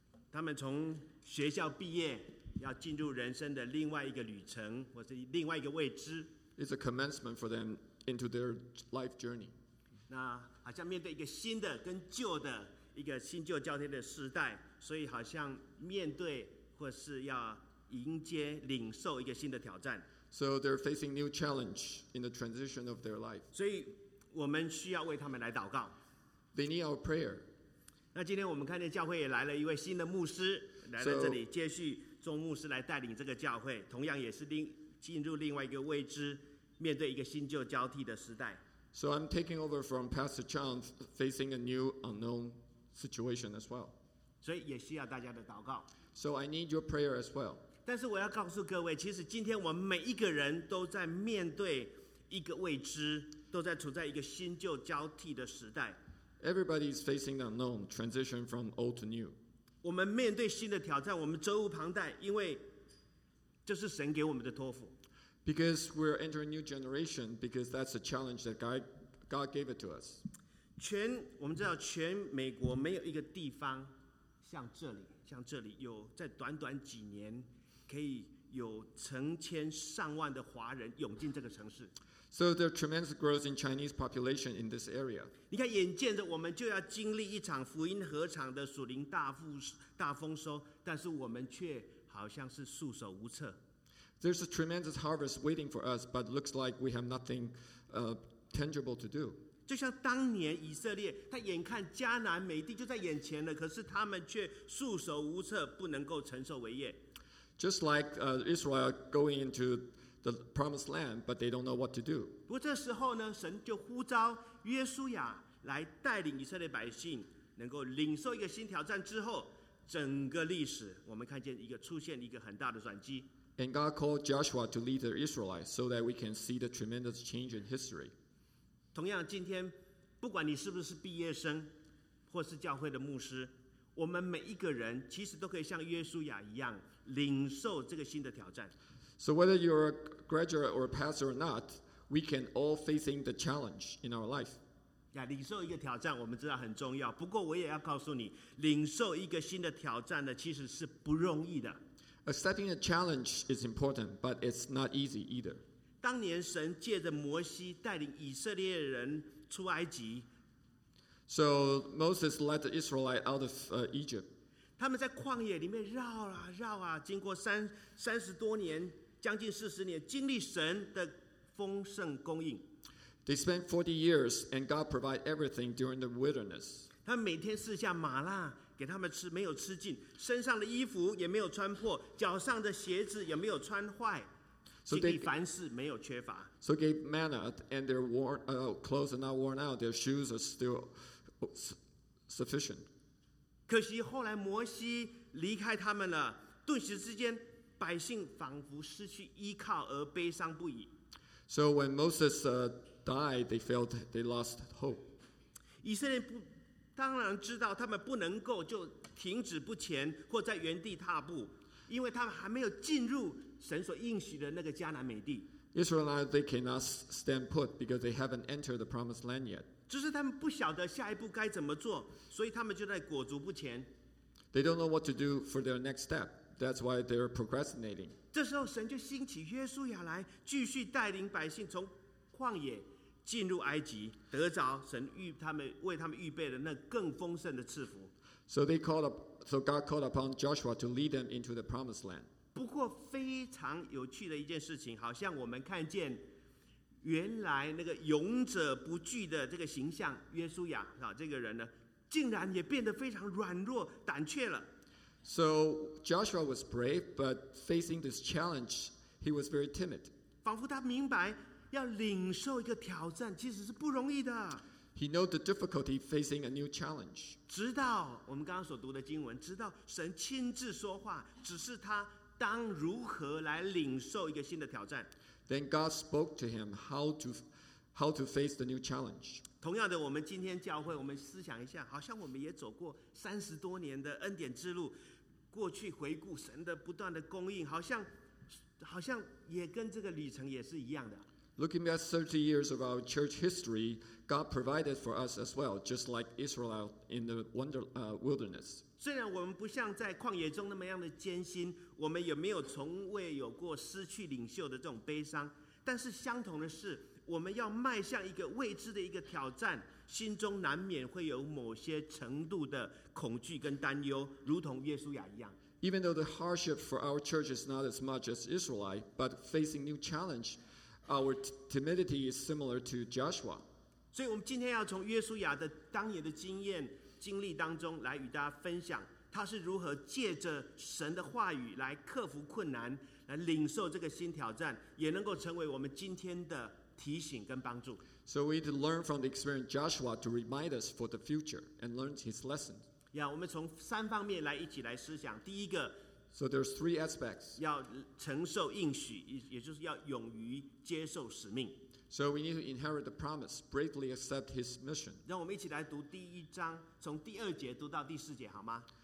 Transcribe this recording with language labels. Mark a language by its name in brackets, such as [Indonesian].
[Chinese] 他们从学校毕业，要进入人生的另外一个旅程，或是另外一个未知。 [English] It's a commencement for them. Into their life journey. [Chinese] 那好像面对一个新的跟旧的一个新旧交替的时代，所以好像面对或是要迎接领受一个新的挑战。 [English] So they're facing new challenge in the transition of their life. [Chinese] 所以我们需要为他们来祷告。 [English] They need our prayer. [Chinese] 那今天我们看见教会也来了一位新的牧师来到这里，接续钟牧师来带领这个教会，同样也是进入另外一个未知。面对一个新旧交替的时代。 [English] So I'm taking over from Pastor Chan, facing a new unknown situation as well. [Chinese] 所以也需要大家的祷告。 [English] So I need your prayer as well. [Chinese] 但是我要告诉各位，其实今天我们每一个人都在面对一个未知，都在处在一个新旧交替的时代。 [English] Everybody is facing the unknown transition from old to new. [Chinese] 我们面对新的挑战，我们责无旁贷，因为这是神给我们的托付。 [English] Because we're entering a new generation, because that's a challenge that God gave it to us. [Chinese] 我们知道全美国没有一个地方像这里有在短短几年可以有成千上万的华人涌进这个城市。 [English] So there are tremendous growth in Chinese population in this area. [Chinese] 你看，眼见着我们就要经历一场福音合场的属灵大丰收，但是我们却好像是束手无策。 [English] There's a tremendous harvest waiting for us, but looks like we have nothing tangible to do. [Chinese] 就像当年以色列，他眼看迦南美地就在眼前了，可是他们却束手无策，不能够承受为业。 [English] Just like Israel going into the promised land, but they don't know what to do. [Chinese] 不过这时候呢，神就呼召约书亚来带领以色列百姓，能够领受一个新挑战之后，整个历史我们看见一个出现一个很大的转机。 [English] And God called Joshua to lead the Israelites so that we can see the tremendous change in history. [Chinese] 同样，今天不管你是不是毕业生，或是教会的牧师，我们每一个人其实都可以像约书亚一样，领受这个新的挑战。 [English] So whether you're a graduate or a pastor or not, we can all facing the challenge in our life. [Chinese] 领受一个挑战我们知道很重要，不过我也要告诉你，领受一个新的挑战呢，其实是不容易的。 [English] Accepting a challenge is important, but it's not easy either. [Chinese] 当年神借着摩西带领以色列人出埃及。 [English] So Moses led the Israelites out of Egypt. [Chinese] 他们在旷野里面绕啊绕啊，经过三十多年，将近四十年，经历神的丰盛供应。 [English] They spent 40 years and God provided everything during the wilderness. [Chinese] 他们每天四下马拉给他们吃，没有吃尽，身上的衣服也没有穿破，脚上的鞋子也没有穿坏，经历凡事没有缺乏。 [English] So they gave manna and their worn, clothes are not worn out, their shoes are still sufficient. [Chinese] 可惜后来摩西离开他们了，顿时之间百姓仿佛失去依靠而悲伤不已。 [English] So when Moses died, they felt they lost hope. [Chinese] 以色列不当然知道他们不能够就停止不前或在原地踏步，因为他们还没有进入神所应许的那个迦南美地。 [English] Israelites, they cannot stand put because they haven't entered the promised land yet. [Chinese] 就是他们不晓得下一步该怎么做，所以他们就在裹足不前。 [English] They don't know what to do for their next step. That's why they're procrastinating. [Chinese] 这时候神就兴起约书亚来，继续带领百姓从旷野进入埃及，得着神预他们为他们预备的那更丰盛的赐福。 [English] So they called up, so God called upon Joshua to lead them into the promised land. [Chinese] 不过非常有趣的一件事情，好像我们看见原来那个勇者不惧的这个形象，约书亚啊这个人呢，竟然也变得非常软弱胆怯了。 [English] So Joshua was brave, but facing this challenge, he was very timid. [Chinese] 仿佛他明白。要领受一个挑战其实是不容易的。 [English] He knows the difficulty facing a new challenge. [Chinese] 直到我们刚刚所读的经文，直到神亲自说话，只是他当如何来领受一个新的挑战。 [English] Then God spoke to him how to face the new challenge. [Chinese] 同样的，我们今天教会，我们思想一下，好像我们也走过三十多年的恩典之路，过去回顾神的不断的供应，好像也跟这个旅程也是一样的。 [English] Looking at 30 years of our church history, God provided for us as well, just like Israel in the wilderness. [Chinese] 虽然我们不像在旷野中那么样的艰辛，我们也没有从未有过失去领袖的这种悲伤，但是相同的是，我们要迈向一个未知的一个挑战，心中难免会有某些程度的恐惧跟担忧，如同约书亚一样。 [English] Even though the hardship for our church is not as much as Israelite, but facing new challenge,Our timidity is similar to Joshua. [Chinese] 所以我们今天要从约书亚的当年的经验经历当中来与大家分享，他是如何借着神的话语来克服困难，来领受这个新挑战，也能够成为我们今天的提醒跟帮助。 [English] So we need to learn from the experience Joshua to remind us for the future and learn his lesson. [Chinese] 我们从三方面来一起来思想。第一个。 [English] So there's three aspects. [Chinese] 要承受应许，也就是要勇于接受使命。 [English] So we need to inherit the promise, bravely accept his mission. [Chinese] 让我们一起来读第一章，从第二节读到第四节，好吗？